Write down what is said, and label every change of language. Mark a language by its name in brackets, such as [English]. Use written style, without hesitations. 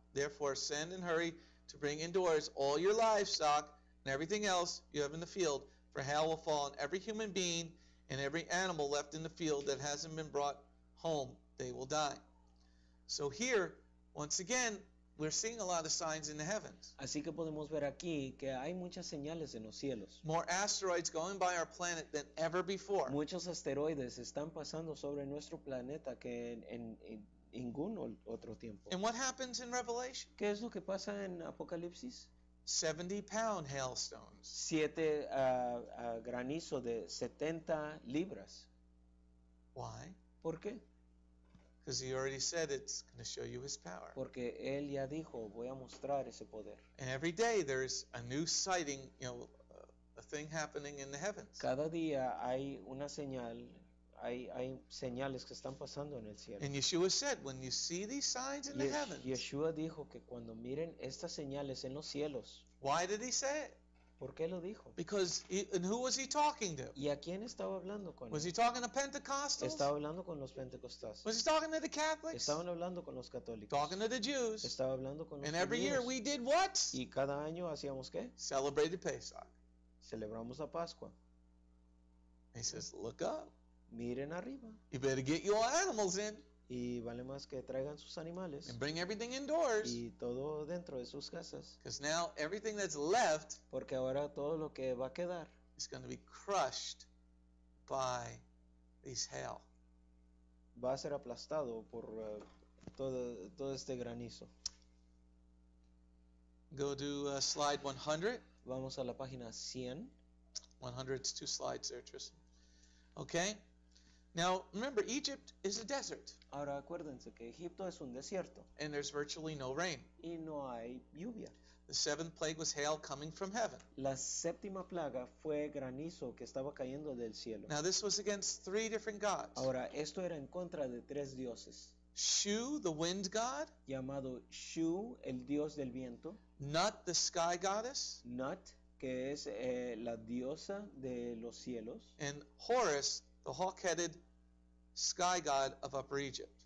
[English] Therefore, send and hurry to bring indoors all your livestock and everything else you have in the field, for hail will fall on every human being and every animal left in the field that hasn't been brought home, they will die. So here, once again, we're seeing a lot of signs in the heavens. [Spanish] Así que podemos ver aquí que hay muchas señales en los cielos. [English] More asteroids going by our planet than ever before. [Spanish] Muchos asteroides están pasando sobre nuestro planeta que en ningún otro tiempo. [English] And what happens in Revelation? [Spanish] ¿Qué es lo que pasa en Apocalipsis? [English] 70-pound hailstones. [Spanish] Siete granizo de 70 libras. [English] Why? [Spanish] ¿Por qué? [English] Because he already said it's going to show you his power. [Spanish] Porque él ya dijo, voy a mostrar ese poder. [English] And every day there's a new sighting, you know, a thing happening in the heavens. [Spanish] Cada día hay una señal, hay señales que están pasando en el cielo. [English] And Yeshua said, when you see these signs in the heavens. [Spanish] Yeshua dijo que cuando miren estas señales en los cielos. [English] Why did he say it? [Spanish] ¿Por qué lo dijo? [English] Because and who was he talking to? [Spanish] ¿Y a quién estaba hablando con [English] was [Spanish] él? [English] He talking to Pentecostals? [Spanish] Estaba hablando con los Pentecostales. [English] Was he talking to the Catholics? [Spanish] Estaban hablando con los católicos. [English] Talking to the Jews. [Spanish] Estaba hablando con los [English] and every year we did what? [Spanish] ¿Y cada año hacíamos qué? [English] Celebrated Pesach. [Spanish] Celebramos la Pascua. [English] He says, look up. [Spanish] Miren arriba. [English] You better get your animals in. [Spanish] Y vale más que traigan sus animales. [English] And bring everything indoors. [Spanish] Y todo dentro de sus casas. [English] Because now everything that's left. [Spanish] Porque ahora todo lo que va a quedar. [English] Is going to be crushed by this hail. [Spanish] Va a ser aplastado por todo este granizo. [English] Go to slide 100. [Spanish] Vamos a la página 100. [English] 100 is two slides there, Tristan. Okay. Now, remember, Egypt is a desert. [Spanish] Ahora acuérdense que Egipto es un desierto. [English] And there's virtually no rain. [Spanish] Y no hay lluvia. [English] The seventh plague was hail coming from heaven. [Spanish] La séptima plaga fue granizo que estaba cayendo del cielo. [English] Now, this was against three different gods. [Spanish] Ahora, esto era en contra de tres dioses. [English] Shu, the wind god. [Spanish] Llamado Shu, el dios del viento. [English] Nut, the sky goddess. [Spanish] Nut, que es la diosa de los cielos. [English] And Horus, the hawk-headed sky god of Upper Egypt.